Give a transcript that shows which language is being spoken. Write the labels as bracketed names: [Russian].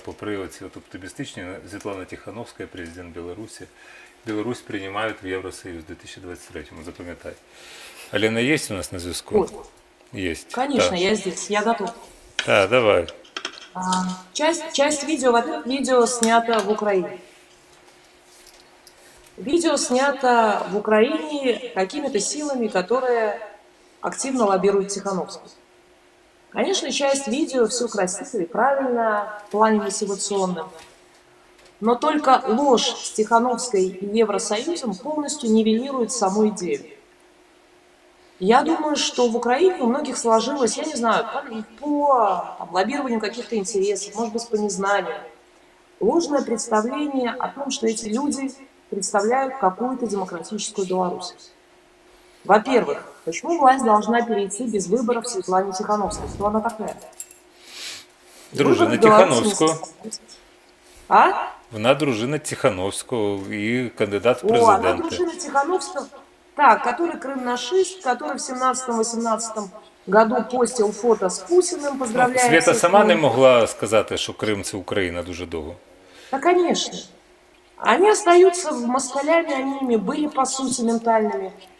[Ukrainian] Попри оці оптимістичні, Світлана Тихановська, президент Білорусі, Білорусь приймають в Євросоюз 2023-му, запам'ятай. Аліна, є у нас на зв'язку? Є. Звісно, я тут, я готова. Так, давай. Часть відео знято в Україні. [Russian] Видео снято в Украине какими-то силами, которые активно лоббируют Тихановскую. Конечно, часть видео все красиво и правильно в плане мотивационном. Но только ложь с Тихановской и Евросоюзом полностью нивелирует саму идею. Я думаю, что в Украине у многих сложилось, я не знаю, по лоббированию каких-то интересов, может быть, по незнанию, ложное представление о том, что эти люди представляют какую-то демократическую Беларусь. Во-первых, почему власть должна перейти без выборов Светлане Тихановской? Кто она такая? [Ukrainian] Дружина Тихановского. А? Вона дружина Тихановского и кандидат в [Russian] президенты. О, она дружина Тихановского. Так, который крымнашист, который в 17-18 году постил фото с Путиным, поздравляя... Света сама не могла сказать, что Крым – это Украина, дуже долго. Да, конечно. Они остаются в москалями, они ими были, по сути, ментальными.